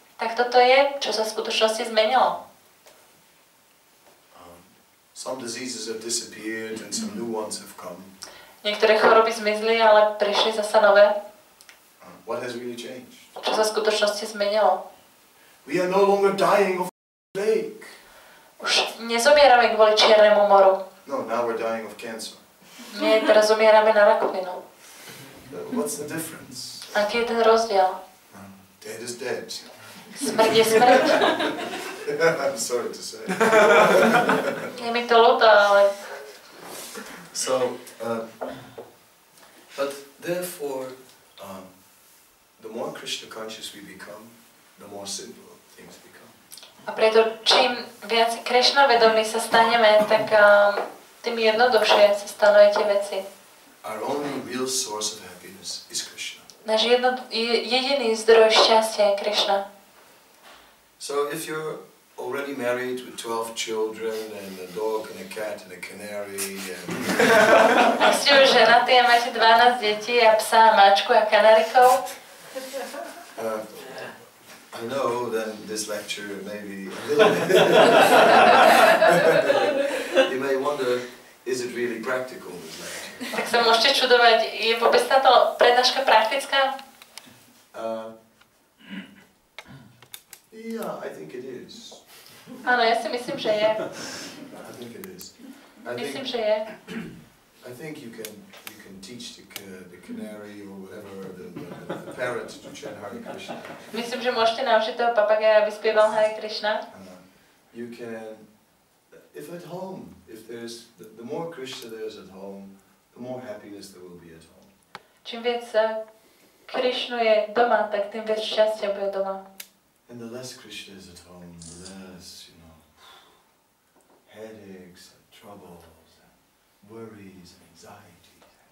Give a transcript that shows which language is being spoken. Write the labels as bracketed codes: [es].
[sk] Tak toto je, čo sa v skutočnosti zmenilo. [en] Some diseases have disappeared and some new ones have come. [sk] Niektoré choroby zmizli, ale prišli zasa nové. [en] What has really changed? [sk] Čo sa v skutočnosti zmenilo? [en] We are no longer dying of plague. [sk] Už nezomierame kvôli čiernemu moru. [en] No, now we're dying of cancer. [sk] Nie, teraz umierame na rakovinu. [en] What's the difference? [sk] Aký je ten rozdiel? [en] Dead is dead. [sk] Smrť je smrť. [en] I'm sorry to say. [sk] Je mi to ľúto, ale... [en] So, but therefore, the more Krishna conscious we become, the more simple things become. [sk] A preto čím viac Krishna vedomí sa staneme, tak tým jednoduchšie sa stanujú tie veci. [en] Our only real source of happiness is Krishna. [sk] Náš jediný zdroj šťastia je Krishna. [en] So if you're already married with 12 children and a dog and a cat and a canary and [sk] ste už ženatí a máte 12 detí a psa, mačku a kanárikov. [en] I know then this lecture may be you may wonder, is it really practical this lecture? [sk] Tak sa môžete čudovať, je vôbec táto prednáška praktická? [en] Yeah, I think it is. [sk] Áno, ja si myslím, že je. [en] I think it is. [sk] Myslím, že je. [en] I think you can teach the canary or whatever the parrot to chant Hare Krishna. [sk] Myslím, že môžete naučiť toho papagaja, aby spieval Hare Krishna. [en] You can, if at home, if there's the more Krishna there is at home, the more happiness there will be at home. [sk] Čím viac Krishna je doma, tak tým viac šťastia bude doma. [en] And the less Krishna is at home, the less, you know, headaches and troubles and worries and anxieties.